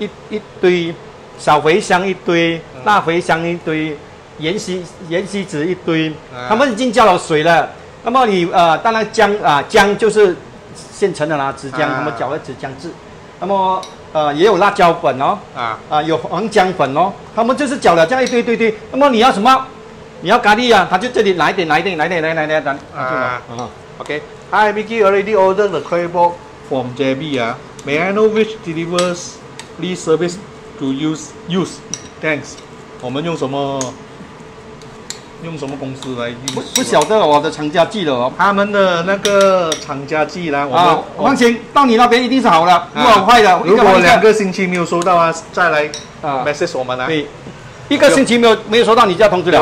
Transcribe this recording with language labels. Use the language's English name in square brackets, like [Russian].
[Chinese] 一堆小茴香一堆，大茴香一堆，芫茜籽一堆，他们已经加了水了。那么你当然姜就是现成的啦，紫姜，他们搅了紫姜汁。那么也有辣椒粉哦，有黄姜粉哦，他们就是搅了这样一堆。那么你要什么？你要咖喱啊，他就这里来一点啊。 [English] OK， Hi Mickey, already ordered the curry pork from JB. May I know which delivery service to use? Thanks. [Chinese] 我们用什么？用什么公司来运输？不晓得我的厂家寄了哦。他们的那个厂家寄啦，我们放心，到你那边一定是好了，不好坏的。如果两个星期没有收到啊，再来 message 我们啊。对，一个星期没有收到，你就要通知了。